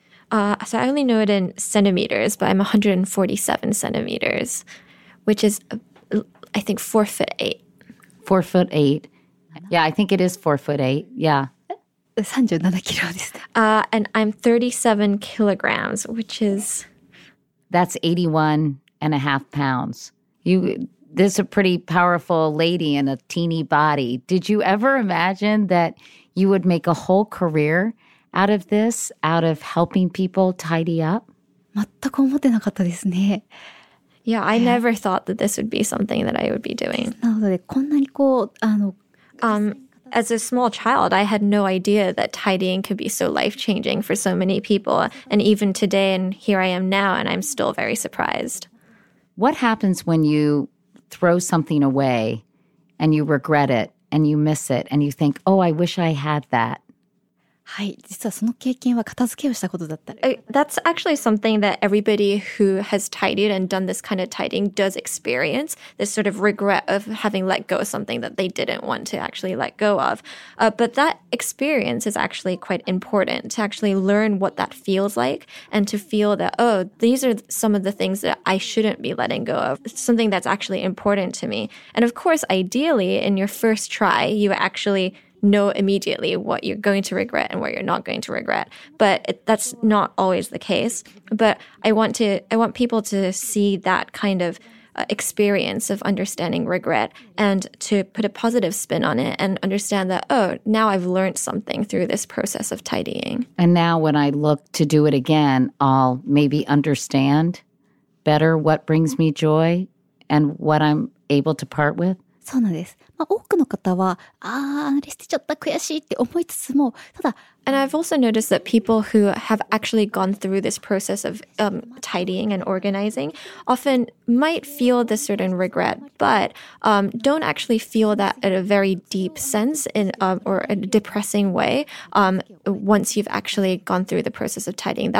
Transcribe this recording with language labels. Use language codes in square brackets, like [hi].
[en] So I only know it in centimeters, but I'm 147 centimeters, which is, I think, 4'8". 4'8". Yeah, I think it is 4'8". Yeah. 37 kilos. And I'm 37 kilograms, which is... That's 81 and a half pounds. This is a pretty powerful lady in a teeny body. Did you ever imagine that you would make a whole career out of this, out of helping people tidy up? [ja] 全く思ってなかったですね。 [en] Yeah, I never thought that this would be something that I would be doing. [ja] なのでこんなにこう、あの、 [en] As a small child, I had no idea that tidying could be so life-changing for so many people. And even today, and here I am now, and I'm still very surprised. What happens when you throw something away and you regret it and you miss it and you think, oh, I wish I had that? [ja] はい、実はその経験は片付けをしたことだった。 [en] That's actually something that everybody who has tidied and done this kind of tidying does experience, this sort of regret of having let go of something that they didn't want to actually let go of. But that experience is actually quite important to actually learn what that feels like and to feel that, oh, these are some of the things that I shouldn't be letting go of. It's something that's actually important to me. And of course, ideally, in your first try, you actually... know immediately what you're going to regret and what you're not going to regret. But that's not always the case. But I want people to see that kind of experience of understanding regret and to put a positive spin on it and understand that, oh, now I've learned something through this process of tidying. And now when I look to do it again, I'll maybe understand better what brings me joy and what I'm able to part with. [ja] そうなんです。まあ、多くの方は、ああ、捨てちゃった、悔しいって思いつつも、ただ、 [en] And I've also noticed that people who have actually gone through this process of tidying and organizing often might feel this certain regret, but don't actually feel that in a very deep sense in or in a depressing way once you've actually gone through the process of tidying.